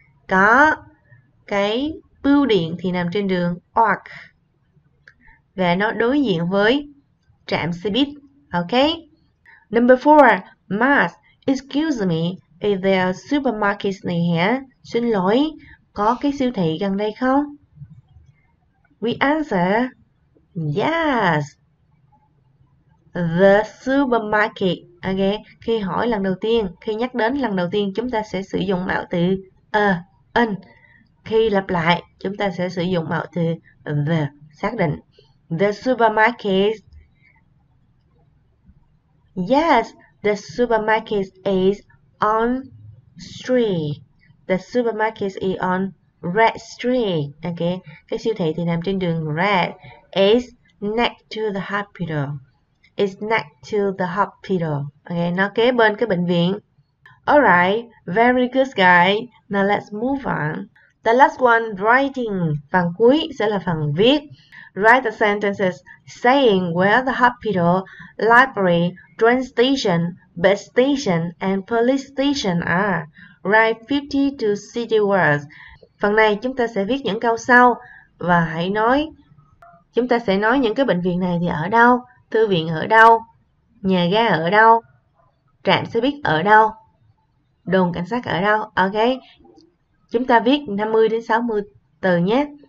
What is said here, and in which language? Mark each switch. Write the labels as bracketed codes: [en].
[vi] Có cái bưu điện thì nằm trên đường Oak và nó đối diện với trạm xe buýt. [en] Ok. Number 4. Mars, excuse me, is there a supermarket near here? [vi] Xin lỗi, có cái siêu thị gần đây không? [en] We answer, yes. The supermarket. [vi] Ok, khi hỏi lần đầu tiên, khi nhắc đến lần đầu tiên, chúng ta sẽ sử dụng mạo từ an. Khi lặp lại, chúng ta sẽ sử dụng mạo từ the, xác định. [en] The supermarket. Yes, the supermarket is on street. The supermarket is on Red Street. [vi] Ok, cái siêu thị thì nằm trên đường Red. [en] It's next to the hospital. It's next to the hospital. [vi] Okay, nó kế bên cái bệnh viện. [en] Alright, very good guy. Now let's move on. The last one, writing. [vi] Phần cuối sẽ là phần viết. [en] Write the sentences saying where the hospital, library, train station, bus station, and police station are. Write 50 to 60 words. [vi] Phần này chúng ta sẽ viết những câu sau và hãy nói. Chúng ta sẽ nói những cái bệnh viện này thì ở đâu? Thư viện ở đâu, nhà ga ở đâu, trạm xe buýt ở đâu, đồn cảnh sát ở đâu. Ok, chúng ta viết 50 đến 60 từ nhé.